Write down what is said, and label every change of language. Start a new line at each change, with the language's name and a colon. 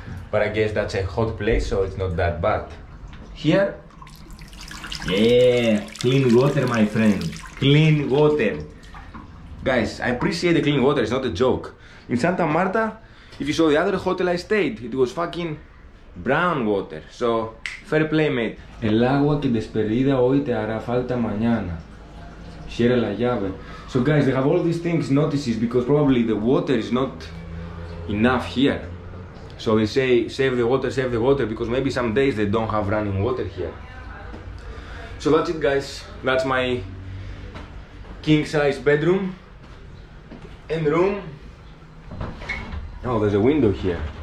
English: But I guess that's a hot place, so it's not that bad. Here, yeah, clean water, my friend. Clean water. Guys, I appreciate the clean water, it's not a joke. In Santa Marta, if you saw the other hotel I stayed, it was fucking brown water. So, fair play, mate.
Spanish: El agua que despedida hoy te hará falta mañana. Cierra la llave.
English: So guys, they have all these things, notices, because probably the water is not enough here. So they say, save the water, because maybe some days they don't have running water here. So that's it, guys. That's my king-size bedroom and room. Oh, there's a window here.